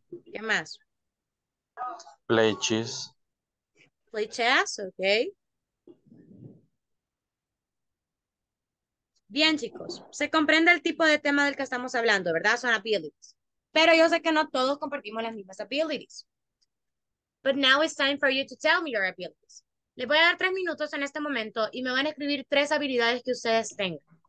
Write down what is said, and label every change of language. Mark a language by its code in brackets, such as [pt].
[es] ¿Qué más? [en] Play chess. Play chess, ok. [es] Bien, chicos. Se comprende el tipo de tema del que estamos hablando, ¿verdad? Son abilities. Pero yo sé que no todos compartimos las mismas abilities. [en] But now it's time for you to tell me your abilities. [es] Les voy a dar 3 minutos en este momento y me van a escribir 3 habilidades que ustedes tengan.